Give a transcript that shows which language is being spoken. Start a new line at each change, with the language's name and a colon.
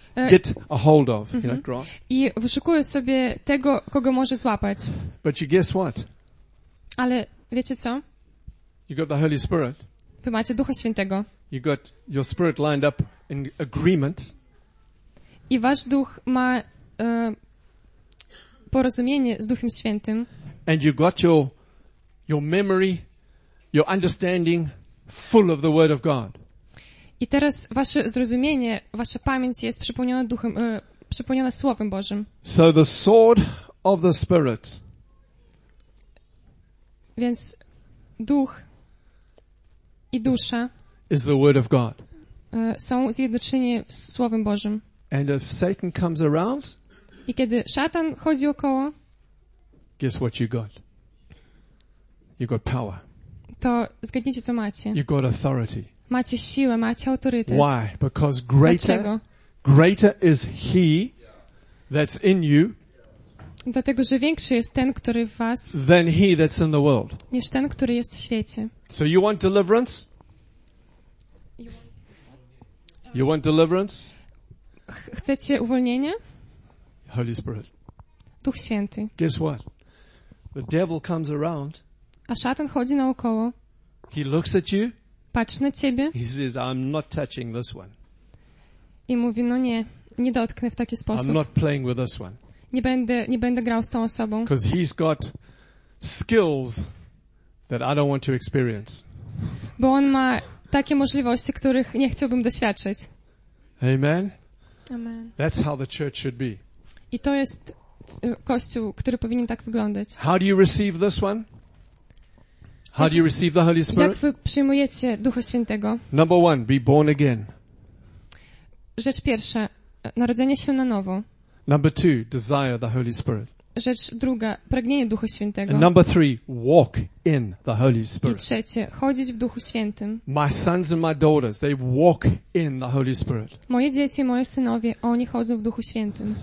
English: Get a hold of, you know, grasp.
Polish: I wyszukuje sobie tego, kogo może złapać.
English: But you guess what?
Polish: Ale wiecie co?
English: You got the Holy Spirit.
Polish: Wy macie Ducha Świętego.
English: You got your spirit lined up in agreement.
Polish: I wasz duch ma porozumienie z Duchem Świętym.
English: And you got your memory, your understanding full of the Word of God.
Polish: I teraz wasze zrozumienie, wasza pamięć jest przepełniona duchem, przepełniona Słowem Bożym.
English: So the sword of the Spirit.
Polish: Więc duch i dusza
English: is the word of God.
Polish: Są zjednoczeni w Słowem Bożym.
English: And if Satan comes around,
Polish: i kiedy szatan chodzi około,
English: guess what you got? You got power.
Polish: To zgadnijcie, co macie.
English: You got authority.
Polish: Macie siłę, macie autorytet.
English: Why? Because greater is he that's in you.
Polish: Dlatego, że większy jest ten, który w was.
English: Than he that's in the world.
Polish: Niż ten, który jest w świecie.
English: So you want deliverance? You want deliverance?
Polish: Chcecie uwolnienie?
English: Holy Spirit.
Polish: Duch Święty.
English: Guess what? The devil comes around.
Polish: A szatan chodzi naokoło.
English: He looks at you.
Polish: Patrzy na ciebie.
English: He says, I'm not touching this one.
Polish: I mówi, no nie, nie dotknę w taki sposób.
English: I'm not playing with this one.
Polish: Nie będę grał z tą osobą.
English: Because he's got skills that I don't want to experience.
Polish: Bo on ma takie możliwości, których nie chciałbym doświadczyć.
English: Amen.
Polish: Amen.
English: That's how the church should be.
Polish: I to jest Kościół, który powinien tak wyglądać.
English: How do you receive this one? How do you receive the Holy Spirit?
Polish: Jak wy przyjmujecie Ducha Świętego?
English: Number one, be born again.
Polish: Rzecz pierwsza, narodzenie się na nowo.
English: Number two, desire the Holy Spirit.
Polish: Rzecz druga, pragnienie Ducha Świętego.
English: And number three, walk in the Holy Spirit.
Polish: I trzecie, chodzić w Duchu Świętym.
English: My sons and my daughters, they walk in the Holy Spirit.
Polish: Moje dzieci, moje synowie, oni chodzą w Duchu Świętym.